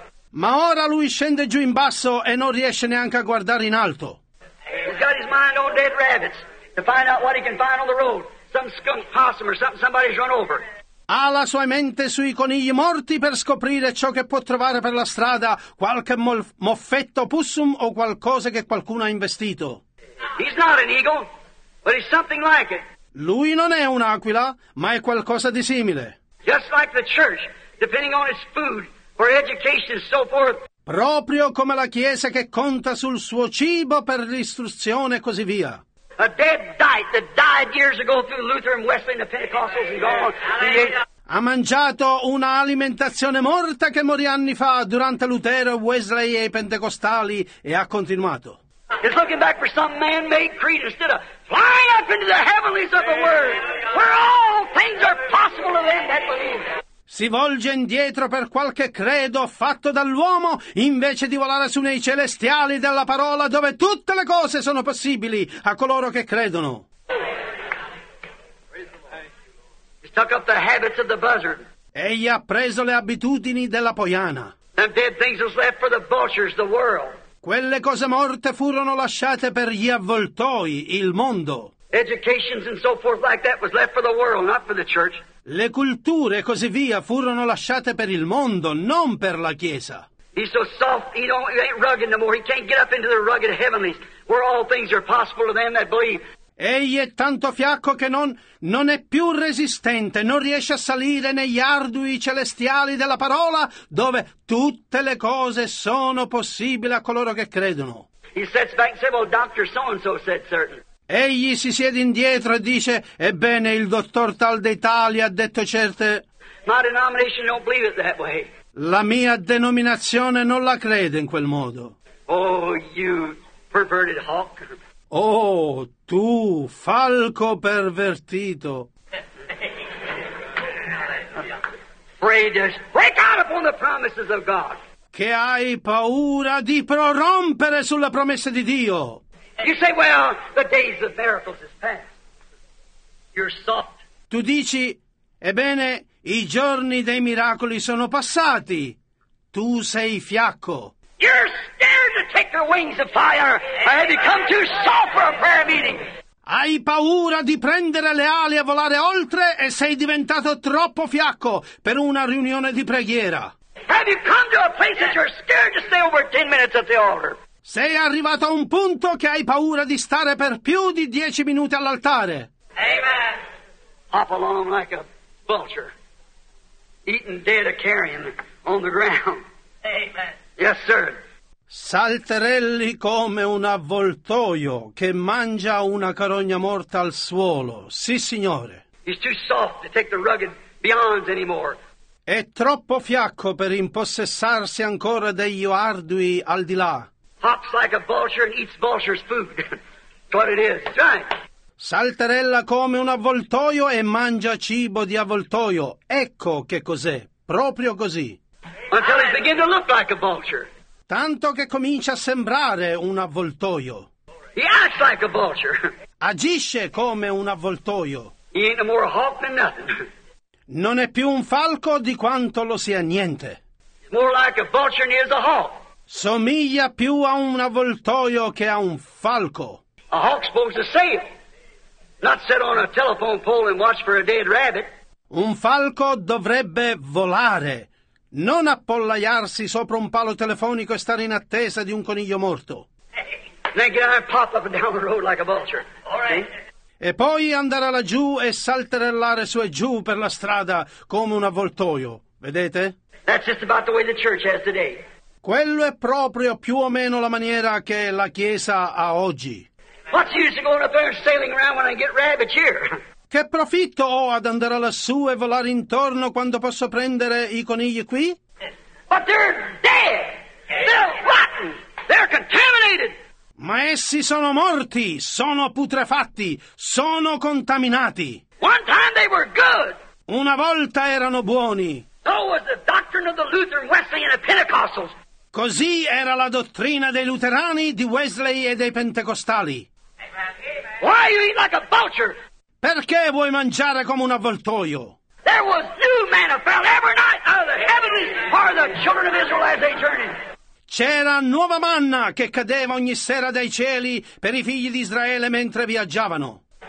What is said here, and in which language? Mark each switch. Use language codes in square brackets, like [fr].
[it] Ma ora lui scende giù in basso e non riesce neanche a guardare in alto. [en] He's got his mind on dead rabbits to find out what he can find on the road. Some skunk possum or something somebody's run over. [it] Ha la sua mente sui conigli morti per scoprire ciò che può trovare per la strada, qualche moffetto possum o qualcosa che qualcuno ha investito. [en] He's not an eagle, but he's something like it. [it] Lui non è un'aquila, ma è qualcosa di simile. [en] Just like the church, depending on its food for education and so forth. [it] Proprio come la chiesa che conta sul suo cibo per l'istruzione e così via. [en] A dead diet that died years ago through Lutheran, Wesleyan, the Pentecostals and gone. [it] Ha mangiato una alimentazione morta che morì anni fa durante Lutero, Wesley e i Pentecostali e ha continuato. [en] He's looking back for some man-made creed instead of flying up into the heavenlies of the Word, where all things are possible to them that believe. [it] Si volge indietro per qualche credo fatto dall'uomo invece di volare su nei celestiali della parola dove tutte le cose sono possibili a coloro che credono. [en] He's took up the habits of the buzzard. [it] Egli ha preso le abitudini della poiana. [en] And dead things was left for the vultures, the world. [it] Quelle cose morte furono lasciate per gli avvoltoi, il mondo. [en] Educations and so forth like that was left for the world, not for the church. [it] Le culture e così via furono lasciate per il mondo, non per la Chiesa. [en] He's so soft, he don't, he ain't rugged no more. He can't get up into the rugged heavenlies where all things are possible to them that believe. [it] Egli è tanto fiacco che non è più resistente, non riesce a salire negli ardui celestiali della parola dove tutte le cose sono possibili a coloro che credono. [en] He sits back and says, well, Dr. So-and-so said certain. [it] Egli si siede indietro e dice, ebbene, il dottor tal dei tali ha detto certe. [en] My denomination don't believe it that way. [it] La mia denominazione non la crede in quel modo. [en] Oh, you perverted hawk. [it] Oh, tu, falco pervertito. [en] Break out upon the promises of God. [it] Che hai paura di prorompere sulle promesse di Dio. [en] You say, well, the days of miracles is past. You're soft. [it] Tu dici, ebbene, i giorni dei miracoli sono passati. Tu sei fiacco. [en] You're scared to take the wings of fire. I have become too soft for a prayer meeting. [it] Hai paura di prendere le ali e volare oltre e sei diventato troppo fiacco per una riunione di preghiera. [en] Have you come to a place that you're scared to stay over 10 minutes at the altar? [it] Sei arrivato a un punto che hai paura di stare per più di 10 minuti all'altare. [en] Amen. Hop along like a vulture, eating dead or carrion on the ground. Amen. Yes, sir. [it] Salterelli come un avvoltoio che mangia una carogna morta al suolo. Sì, signore. [en] He's too soft to take the rugged beyonds anymore. [it] È troppo fiacco per impossessarsi ancora degli ardui al di là. [en] Hops like a vulture and eats vulture's food. But it is. Right. [it] Salterella come un avvoltoio e mangia cibo di avvoltoio. Ecco che cos'è, proprio così. [en] Until he begins to look like a vulture. [it] Tanto che comincia a sembrare un avvoltoio. [en] He acts like a vulture. [it] Agisce come un avvoltoio. [en] He ain't no more a hawk than nothing. [it] Non è più un falco di quanto lo sia niente. [en] More like a vulture than he is a hawk. [it] Somiglia più a un avvoltoio che a un falco. [en] A hawk's supposed to save. Not sit on a telephone pole and watch for a dead rabbit. [it] Un falco dovrebbe volare, non appollaiarsi sopra un palo telefonico e stare in attesa di un coniglio morto. [en] Hey, then get out and pop up and down the road like a vulture. All right. Hey? [it] E poi andare laggiù e salterellare su e giù per la strada come un avvoltoio. Vedete? [en] That's just about the way the church has today. [it] Quello è proprio più o meno la maniera che la Chiesa ha oggi. [en] What's the use of going up there and sailing around when I get rabbits here? [it] Che profitto ho ad andare lassù e volare intorno quando posso prendere i conigli qui? [en] But they're dead! They're rotten! They're contaminated! [it] Ma essi sono morti, sono putrefatti, sono contaminati. [en] One time they were good. [it] Una volta erano buoni. [en] So was the doctrine of the Lutheran, Wesley and the Pentecostals. [it] Così era la dottrina dei luterani, di Wesley e dei pentecostali. [en] Why you eat like a vulture? [it] Perché vuoi mangiare come un avvoltoio? [en] There was new manna fell every night out of the heavens for the children of Israel as they journeyed. [it] C'era nuova manna che cadeva ogni sera dai cieli per i figli di Israele mentre viaggiavano.